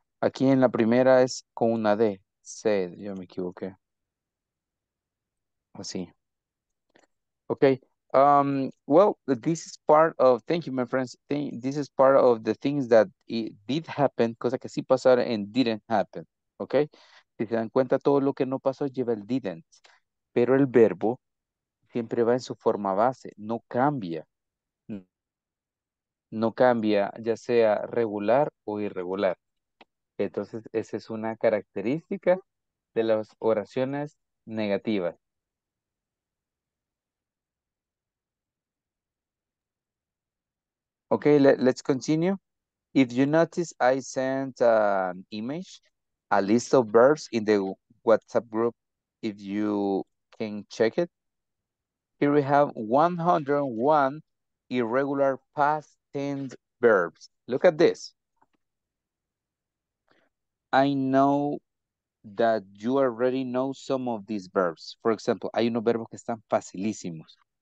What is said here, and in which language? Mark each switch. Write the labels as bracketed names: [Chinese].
[Spanish] Aquí en la primera es con una D, said, yo me equivoqué, así. [English] Okay, well, this is part of, thank you, my friends, this is part of the things that it did happen, [Spanish] cosa que sí pasara, [English] and didn't happen, okay? [Spanish] Si se dan cuenta, todo lo que no pasó lleva el didn't, pero el verbo siempre va en su forma base, no cambia, no cambia, ya sea regular o irregular. Entonces, esa es una característica de las oraciones negativas. [English] Okay, let's continue. If you notice, I sent an image, a list of verbs in the WhatsApp group, if you can check it. Here we have 101 irregular past tense verbs. Look at this. I know that you already know some of these verbs. For example, [Spanish] hay unos verbos que están facilísimos.